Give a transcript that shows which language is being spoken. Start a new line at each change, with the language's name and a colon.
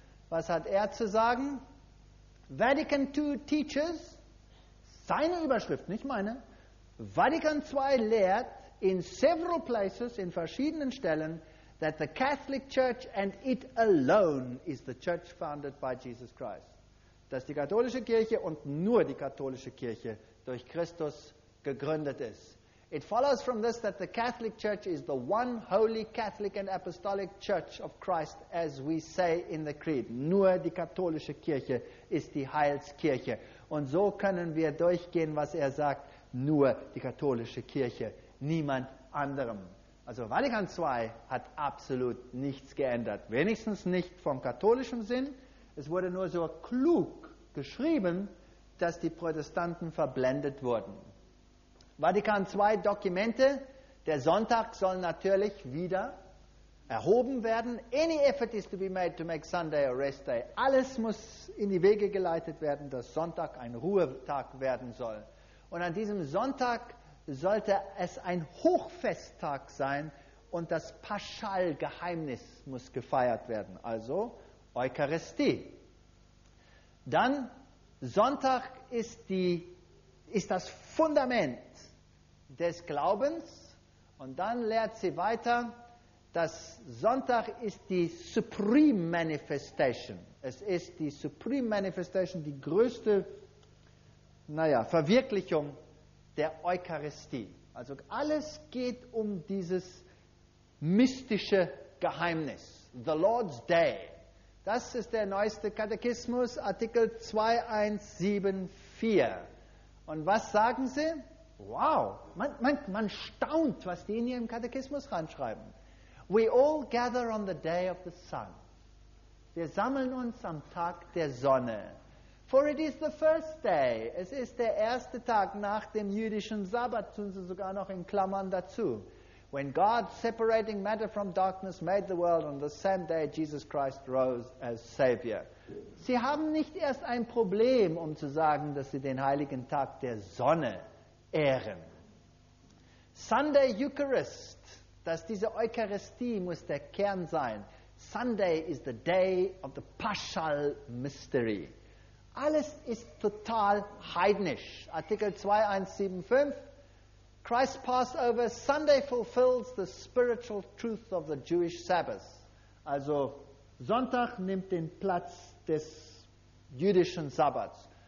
German: Was hat er zu sagen?
English: Vatican II teaches,
German: seine Überschrift, nicht meine, Vatican II lehrt
English: in several places,
German: in verschiedenen Stellen,
English: that the Catholic Church and it alone is the church founded by Jesus Christ.
German: Dass die katholische Kirche und nur die katholische Kirche durch Christus gegründet ist.
English: It follows from this that the Catholic Church is the one holy Catholic and apostolic church of Christ, as we say in the Creed.
German: Nur die katholische Kirche ist die Heilskirche. Und so können wir durchgehen, was er sagt, nur die katholische Kirche, niemand anderem. Also Vatikan II hat absolut nichts geändert, wenigstens nicht vom katholischen Sinn. Es wurde nur so klug geschrieben, dass die Protestanten verblendet wurden. Vatikan II Dokumente, der Sonntag soll natürlich wieder erhoben werden.
English: Any effort is to be made to make Sunday a rest day.
German: Alles muss in die Wege geleitet werden, dass Sonntag ein Ruhetag werden soll. Und an diesem Sonntag sollte es ein Hochfesttag sein und das Paschalgeheimnis muss gefeiert werden, also Eucharistie. Dann, Sonntag ist das Fundament des Glaubens und dann lehrt sie weiter, dass Sonntag ist die Supreme Manifestation. Es ist die Supreme Manifestation, die größte Verwirklichung der Eucharistie. Also alles geht um dieses mystische Geheimnis.
English: The Lord's Day.
German: Das ist der neueste Katechismus, Artikel 2174. Und was sagen sie? Wow, man staunt, was die in ihrem Katechismus reinschreiben.
English: We all gather on the day of the sun.
German: Wir sammeln uns am Tag der Sonne.
English: For it is the first day.
German: Es ist der erste Tag nach dem jüdischen Sabbat, tun sie sogar noch in Klammern dazu.
English: When God, separating matter from darkness, made the world on the same day Jesus Christ rose as Savior.
German: Sie haben nicht erst ein Problem, um zu sagen, dass sie den heiligen Tag der Sonne ehren. Sunday Eucharist, dass diese Eucharistie muss der Kern sein.
English: Sunday is the day of the Paschal Mystery.
German: Alles ist total heidnisch. Artikel 2175.
English: Christ Passover Sunday fulfills the spiritual truth of the Jewish Sabbath.
German: Also Sonntag nimmt den Platz des jüdischen Sabbats.